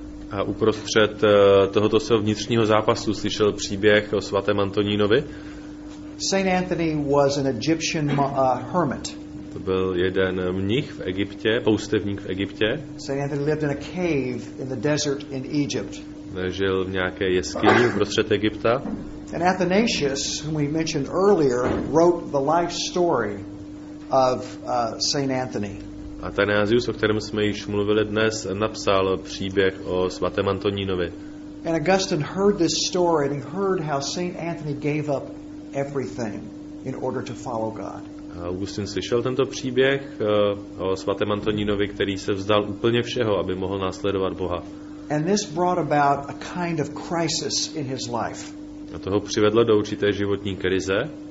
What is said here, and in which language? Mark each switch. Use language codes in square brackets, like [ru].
[cs] A uprostřed tohoto svého vnitřního zápasu slyšel příběh o svatém Antonínovi. [en] Saint Anthony was an Egyptian hermit. [cs] To byl jeden mnich v Egyptě, poustevník v Egyptě. [en] Saint Anthony lived in a cave in the desert in Egypt. [cs] Žil v nějaké jeskyni uprostřed Egypta. [en] And Athanasius, whom we mentioned earlier, wrote the life story of Saint Anthony. [cs] Athanasius, o kterém jsme již mluvili dnes, napsal příběh o svatém Antonínovi. [en] And Augustine heard this story and he heard how Saint Anthony gave up everything in order to follow God. [cs] Augustin slyšel tento příběh o svatém Antonínovi, který se vzdal úplně všeho, aby mohl následovat Boha. [en] And this brought about a kind of crisis in his life. [cs] A to ho přivedlo do určité životní krize.